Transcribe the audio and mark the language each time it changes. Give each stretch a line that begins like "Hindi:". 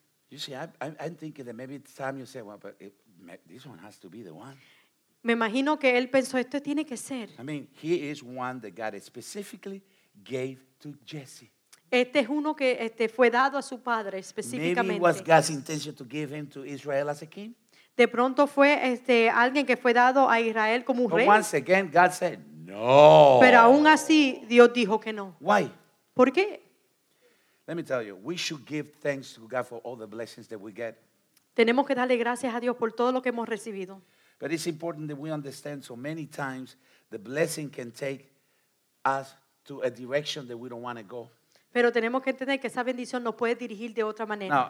English: You see, I'm thinking that maybe Samuel said, "Well, but this one has to be the one."
Spanish: Me imagino que él pensó, esto tiene que ser.
English: I mean, he is one that God specifically gave to Jesse.
Spanish: Este es uno que fue dado a su padre específicamente.
English: Maybe it was God's intention to give him to Israel as a king.
Spanish: De pronto fue alguien que fue dado a Israel como un rey.
English: But once again, God said no.
Spanish: Pero aún así, Dios dijo que no.
English: Why?
Spanish: ¿Por qué?
English: Let me tell you, we should give thanks to God for all the blessings that we get.
Spanish: Tenemos que darle gracias a Dios por todo lo que hemos recibido.
English: But it's important that we understand so many times the blessing can take us to a direction that we don't want to go.
Spanish: Pero tenemos que entender que esa bendición nos puede dirigir de otra manera.